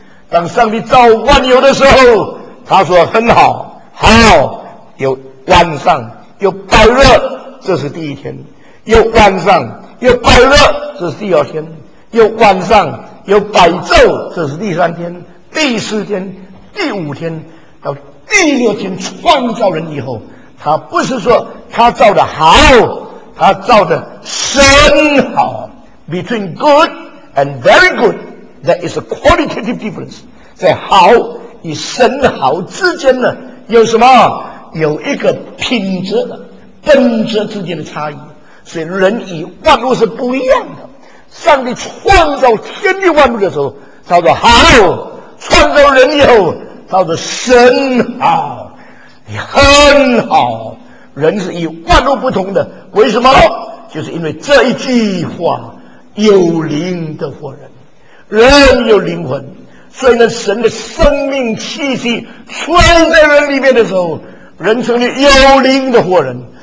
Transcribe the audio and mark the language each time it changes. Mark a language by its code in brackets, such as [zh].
[zh] 当上帝造万有的时候，他说很好，好，有晚上有白日，这是第一天，有晚上有白日，这是第二天，有晚上有白昼，这是第三天，第四天，第五天，到第六天创造人以后，他不是说他造的好，他造的甚好。 [en] Between good and very good there is a qualitative difference， [zh] 在好与甚好之间呢，有什么？有一个品质的本质之间的差异。所以人与万物是不一样的，上帝创造天地万物的时候叫做好，创造人以后叫做神好，很好。人是与万物不同的，为什么？就是因为这一句话，有灵的活人，人有灵魂，所以呢，神的生命气息吹在人里面的时候，人成了有灵的活人。